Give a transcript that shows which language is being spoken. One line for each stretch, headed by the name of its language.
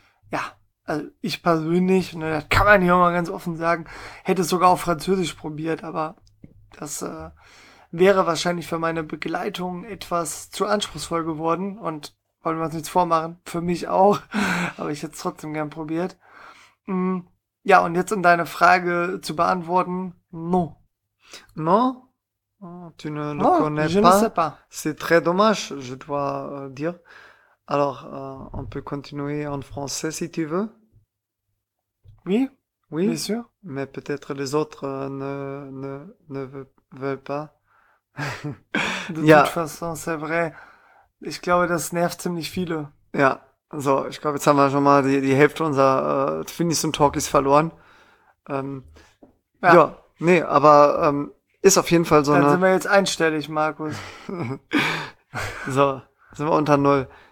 German: Ja, also ich persönlich, ne, das kann man hier mal ganz offen sagen, hätte es sogar auf Französisch probiert, aber das wäre wahrscheinlich für meine Begleitung etwas zu anspruchsvoll geworden und wollen wir uns nichts vormachen, für mich auch, aber ich hätte es trotzdem gern probiert. Ja, und jetzt um deine Frage zu beantworten,
French: non. Tu ne le connais je pas. Ne sais pas. C'est très dommage, je dois dire. Alors, on peut continuer en français si tu veux. Oui, oui, bien sûr. Mais peut-être les autres ne veulent pas. De toute façon, c'est vrai.
German: Ich glaube, das nervt ziemlich viele. Ja, so, ich glaube, jetzt haben wir schon mal die Hälfte unserer Finis und Talkies verloren. Ja. Ja, nee, aber ist auf jeden Fall so dann eine... Dann sind wir jetzt einstellig, Markus. So, sind wir unter Null.